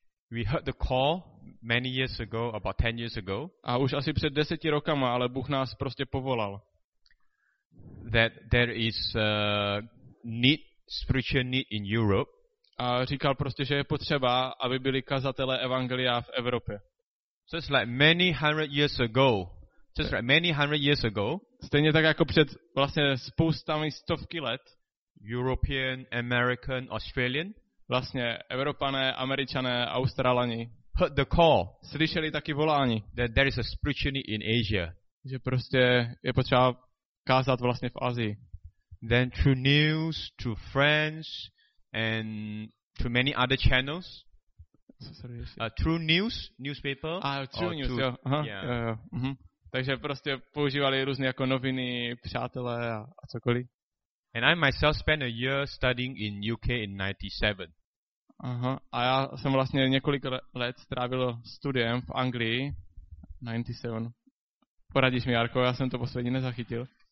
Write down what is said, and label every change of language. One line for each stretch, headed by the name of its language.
English: We heard the call many years ago, about 10 years ago.
Czech: A už asi před 10 rokama, ale Bůh nás prostě povolal.
English: That there is need, spiritual need in Europe.
Czech: A říkal prostě, že je potřeba, aby byli kazatelé evangelia v Evropě.
English: Just like many hundred years ago. Just like many hundred years ago.
Czech: Stejně tak jako před vlastně spoustami stovky let.
English: European, American, Australian.
Czech: Vlastně Evropané, Američané, Australani.
English: Heard the call.
Czech: Slyšeli taky volání.
English: That there is a spiritual need in Asia.
Czech: Že prostě je potřeba kázat vlastně v Asii.
English: Then through news, through friends, and through many other channels. Through news, newspaper. Through news.
Czech: Takže prostě používali různé jako noviny, přátelé a cokoliv.
English: And I myself spent a year studying in UK in 97.
Czech: Aha, a já jsem vlastně několik let strávil studiem v Anglii. 97. Poradíš mi, Jarko, já jsem to poslední nezachytil.